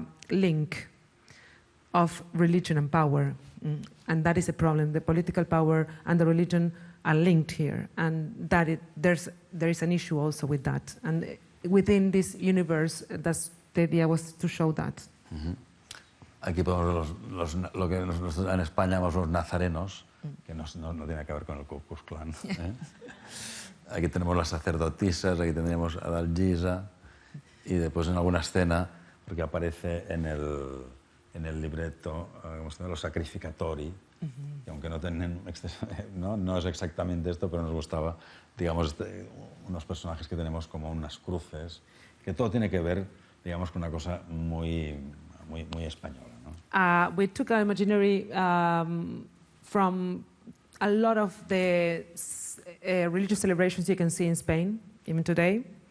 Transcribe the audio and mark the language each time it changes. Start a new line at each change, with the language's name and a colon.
English: link of religion and power. And that is a problem. The political power and the religion are linked here. And that it, there is an issue also with that. And within this universe, that's the idea was to show that. Mm-hmm.
Spanish: Aquí podemos los lo que nosotros en España llamamos los nazarenos, que no tiene que ver con el Ku Klux Klan. ¿Eh? Aquí tenemos las sacerdotisas, aquí tendríamos a Adalgisa, y después en alguna escena, porque aparece en el libreto, como se llama, los sacrificatori, uh-huh. Y aunque no tienen, no es exactamente esto, pero nos gustaba, digamos, unos personajes que tenemos como unas cruces, que todo tiene que ver, digamos, con una cosa muy, muy, muy española, ¿no?
English: We took our imaginary from a lot of the religious celebrations you can see in Spain, even today.